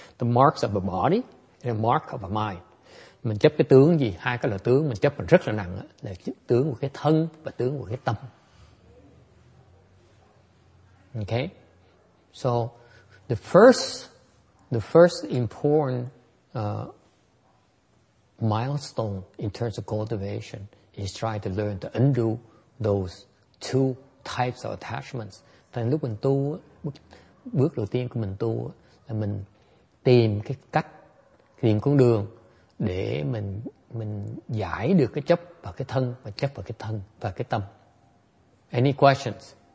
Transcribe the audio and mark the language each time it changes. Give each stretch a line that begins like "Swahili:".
English: The marks of a body and the mark of a mind.
Vietnamese: Mình chấp cái tướng gì? Hai cái là tướng mình chấp rất là nặng. Là tướng của cái thân và tướng của cái tâm.
English: Okay? So, the first important milestone in terms of cultivation is trying to learn to undo those two types of attachments.
Vietnamese: Thì lúc mình tu, bước đầu tiên của mình tu là mình tìm cái cách, tìm con đường để mình giải được cái chấp và cái thân, và chấp và cái thân và cái tâm.
English: Any questions?